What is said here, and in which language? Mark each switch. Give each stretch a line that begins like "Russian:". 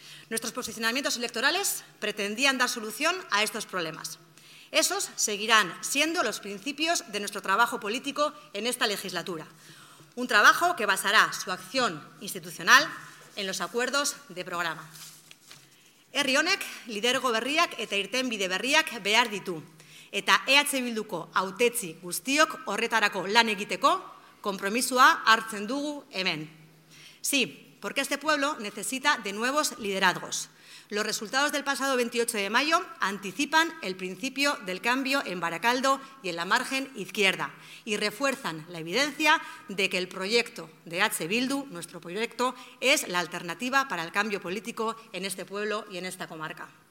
Spanish: Nuestros posicionamientos electorales pretendían dar solución a estos problemas. Esos seguirán siendo los principios de nuestro trabajo político en esta legislatura. Un trabajo que basará su acción institucional en los acuerdos de programa.
Basque: Herri honek, lidergo berriak eta irtenbide berriak behar ditu. Eta EH Bilduko hautetzi guztiok horretarako lan egiteko, konpromisoa hartzen dugu hemen.
Spanish: Sí, porque este pueblo necesita de nuevos liderazgos. Los resultados del pasado 28 de mayo anticipan el principio del cambio en Barakaldo y en la margen izquierda y refuerzan la evidencia de que el proyecto de EH Bildu, nuestro proyecto, es la alternativa para el cambio político en este pueblo y en esta comarca.